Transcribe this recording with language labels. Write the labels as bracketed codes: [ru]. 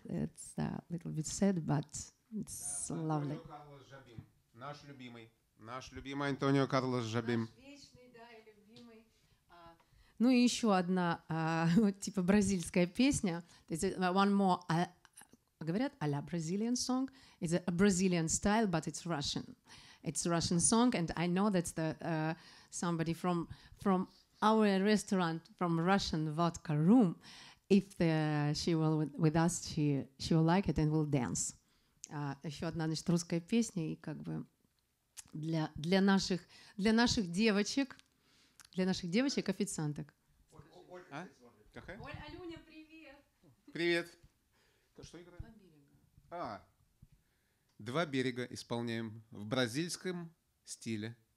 [en] It's a little bit sad, but it's lovely. [ru] Наш любимый. Наш любимый Антонио Карлос Жобим. Ну и еще одна типа бразильская песня. [en] It's one more, [ru] говорят, [en] a la Brazilian song. It's a Brazilian style, but it's Russian. It's a Russian song, and I know that's the somebody from our restaurant, from Russian vodka room. If the, she will with us, she will like it and will dance. [ru] Еще одна, значит, русская песня, и как бы для наших девочек, для наших девочек-официанток. А? Какая? Оль, Алюня, привет! Привет! Что играем? Два берега. А, два берега исполняем в бразильском стиле.